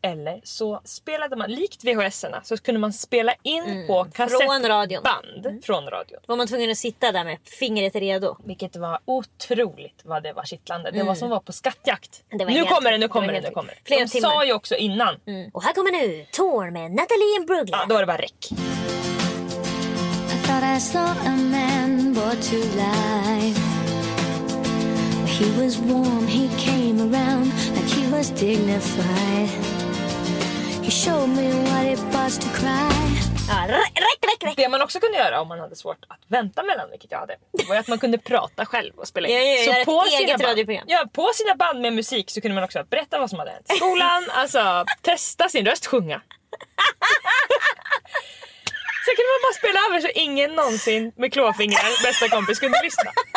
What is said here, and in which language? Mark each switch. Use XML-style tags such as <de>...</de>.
<sv>Eller så spelade man, likt VHS-erna, så kunde man spela in på kassettband från radion. Var man tvungen att sitta där med fingret redo. Vilket var otroligt vad det var kittlande. Det var som var på skattjakt. Nu kommer det. De sa ju också innan. Mm. Och här kommer nu Tour med Natalie Imbruglia. Ja, då var det bara räck.</sv> <en>I thought I saw a man born to life. He was warm, he came around like he was dignified. He showed me what it was to cry.</en> <sv>Räck. Det man också kunde göra om man hade svårt att vänta mellan, vilket jag hade, var att man kunde prata själv och spela in. På sina band med musik så kunde man också berätta vad som hade hänt. Skolan, alltså testa sin röst, sjunga. Så kunde man bara spela över så ingen någonsin med klåfingrar, bästa kompis, kunde lyssna.</sv>